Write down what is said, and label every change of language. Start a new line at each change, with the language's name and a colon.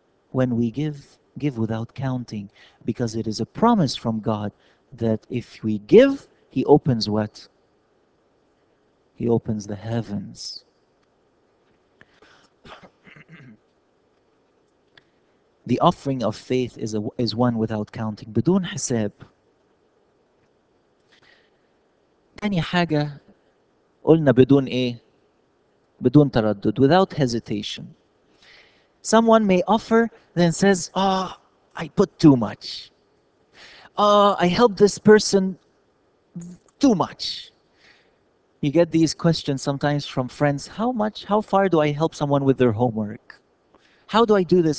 English: When we give, give without counting, because it is a promise from God that if we give, he opens what? He opens the heavens. The offering of faith is one without counting.
Arabic: Bidun hasab. Any haga, قلنا بدون إيه؟ بدون تردد,
English: without hesitation. Someone may offer, then says, "Oh, I put too much. Oh, I helped this person too much." You get these questions sometimes from friends. How much, how far do I help someone with their homework? How do I do this?